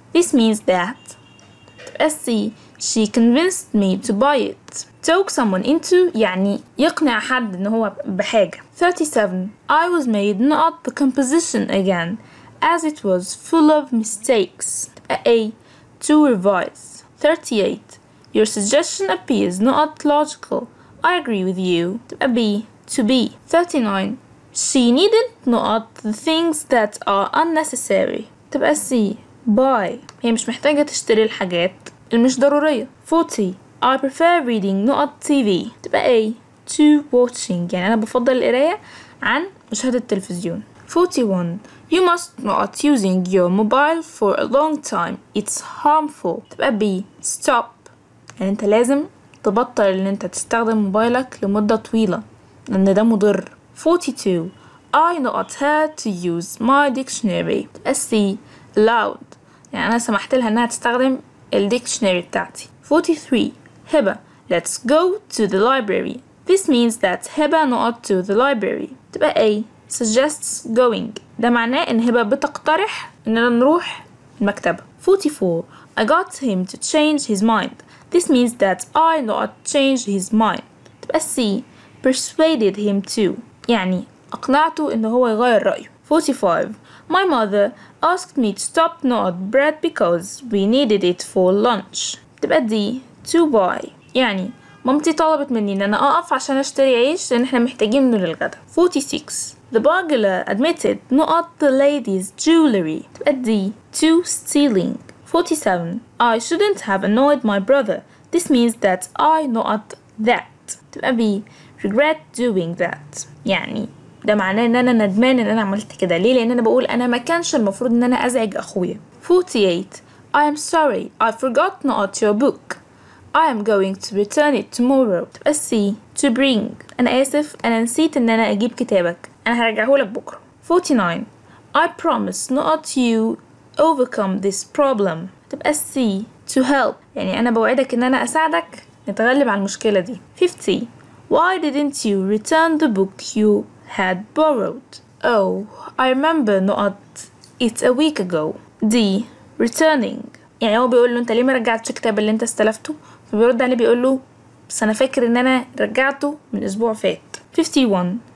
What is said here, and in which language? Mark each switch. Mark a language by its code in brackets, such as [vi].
[en] This means that. SC. She convinced me to buy it. Talk someone into [ar] يعني يقنع حد ان هو بحاجة. [en] 37. I was made not the composition again as it was full of mistakes. A. To revise. 38. Your suggestion appears not logical. I agree with you. B. To be. 39. She needn't not the things that are unnecessary. [ar] تبقى [en] C. Buy. [ar] هي مش محتاجة تشتري الحاجات المش ضرورية. [en] 40. I prefer reading not TV. [ar] تبقى [en] A. To watching. [ar] يعني أنا بفضل القراية عن مشاهدة التلفزيون. [en] 41. You must not using your mobile for a long time. It's harmful. [ar] تبقى [en] B. Stop. [ar] يعني أنت لازم تبطل إن أنت تستخدم موبايلك لمدة طويلة. لأن ده مضر. [en] 42. I not her to use my dictionary. C. Loud. [ar] يعني أنا سمحت لها أنها تستخدم الديكشنري بتاعتي. [en] 43. هبة. Let's go to the library. This means that هبة not to the library. [ar] تبقى [en] A. Suggests going. [ar] ده معناه أن هبة بتقترح أننا نروح المكتبة. [en] 44. I got him to change his mind. This means that I not change his mind. [ar] تبقى [en] C. Persuaded him to. [ar] يعني أقنعته إن هو يغير رأيه. [en] 45. My mother asked me to stop not bread because we needed it for lunch. [ar] تبقى [en] D. To buy. [ar] يعني مامتي طلبت مني إن أنا أقف عشان أشتري عيش لأن إحنا محتاجينه للغدا. [en] 46. The burglar admitted not the lady's jewelry. [ar] تبقى [en] D. To stealing. 47. I shouldn't have annoyed my brother. This means that I not that. [ar] تبقى [en] B. Regret doing that. [ar] يعني ده معناه ان انا ندمان ان انا عملت كده. ليه؟ لان انا بقول انا ما كانش المفروض ان انا ازعج اخويا. 48. [en] I am sorry. I forgot not your book. I am going to return it tomorrow. [ar] تبقى [en] C. To bring. [ar] انا اسف انا نسيت ان انا اجيب كتابك. انا هرجعه لك بكرة. [en] 49. I promise not you overcome this problem. [ar] تبقى [en] C. To help. [ar] يعني انا بوعدك ان انا اساعدك نتغلب على المشكلة دي. [en] 50. Why didn't you return the book you had borrowed? Oh, I remember not it a week ago. [ar] D. Returning. يعني هو بيقول له انت ليه ما رجعتش الكتاب اللي انت استلفته؟ فبيرد عليه بيقول له بس انا فاكر ان انا رجعته من اسبوع فات. 51.